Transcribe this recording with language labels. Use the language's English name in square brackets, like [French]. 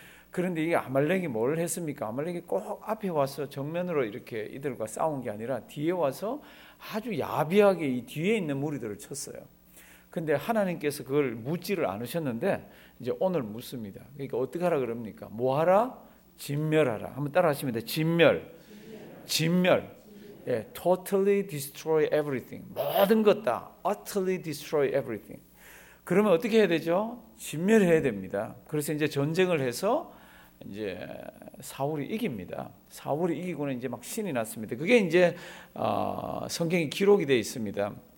[Korean] 그런데 이 아말렉이 뭘 했습니까? 아말렉이 꼭 앞에 와서 정면으로 이렇게 이들과 싸운 게 아니라 뒤에 와서 아주 야비하게 이 뒤에 있는 무리들을 쳤어요. 근데 하나님께서 그걸 묻지를 않으셨는데 이제 오늘 묻습니다. 그러니까 어떻게 하라 그럽니까? 뭐 하라? 진멸하라. 한번 따라 하시면 돼. 진멸. 진멸. [English] 예, totally destroy everything. [Korean] 모든 것 다 [English] utterly destroy everything. [Korean] 그러면 어떻게 해야 되죠? 진멸해야 됩니다. 그래서 이제 전쟁을 해서 이제 사울이 이깁니다. 사울이 이기고는 이제 막 신이 났습니다. 그게 이제 성경에 기록이 되어 있습니다.